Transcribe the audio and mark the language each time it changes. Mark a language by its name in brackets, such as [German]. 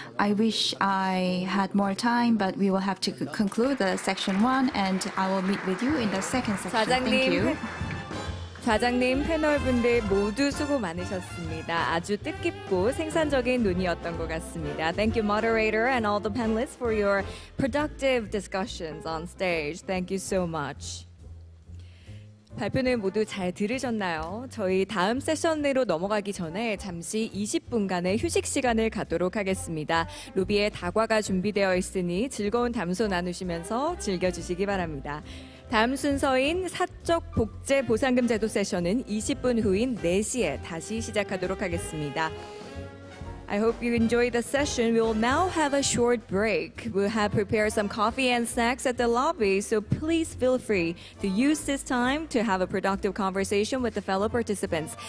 [English] I wish I had more time, but we will have to conclude the section one, and I will meet with you in the second section. [Korean] 좌장님, [English] Thank you. [Korean] 좌장님, 패널 분들 모두 수고 많으셨습니다. 아주 뜻깊고 생산적인 논의였던 것 같습니다. [English] Thank you, moderator, and all the panelists for your productive discussions on stage. Thank you so much. [Korean] 발표는 모두 잘 들으셨나요? 저희 다음 세션으로 넘어가기 전에 잠시 20분간의 휴식 시간을 갖도록 하겠습니다. 로비에 다과가 준비되어 있으니 즐거운 담소 나누시면서 즐겨주시기 바랍니다. 다음 순서인 사적 복제 보상금 제도 세션은 20분 후인 4시에 다시 시작하도록 하겠습니다. [English] I hope you enjoy the session. We will now have a short break. We have prepared some coffee and snacks at the lobby, so please feel free to use this time to have a productive conversation with the fellow participants.